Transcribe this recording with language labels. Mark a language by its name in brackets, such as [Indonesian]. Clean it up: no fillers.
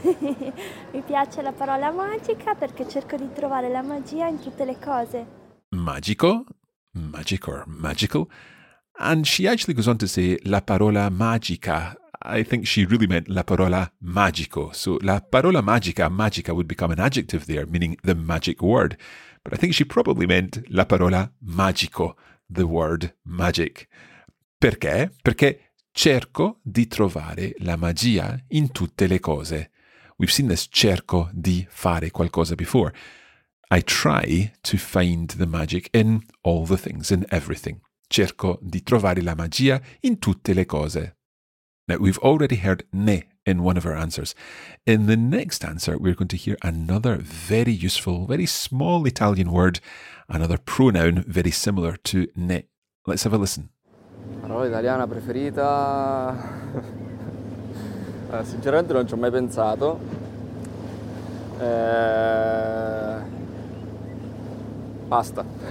[Italian] Mi piace la parola magica perché cerco di trovare la magia in tutte le cose. [English] Magico? Magic or magical? And she actually goes on to say [Italian] la parola magica. [English] I think she really meant [Italian] la parola magico. [English] So [Italian] la parola magica, [English] magica would become an adjective there, meaning the magic word. But I think she probably meant [Italian] la parola magico, [English] the word magic. [Italian] Perché? Perché cerco di trovare la magia in tutte le cose. [English] We've seen this [Italian] cerco di fare qualcosa [English] before. I try to find the magic in all the things, in everything. [Italian] Cerco di trovare la magia in tutte le cose. [English] Now, we've already heard ne in one of our answers. In the next answer, we're going to hear another very useful, very small Italian word, another pronoun very similar to ne. Let's have a listen. [Italian] Parola italiana preferita? Sinceramente non ci ho mai pensato. Pasta.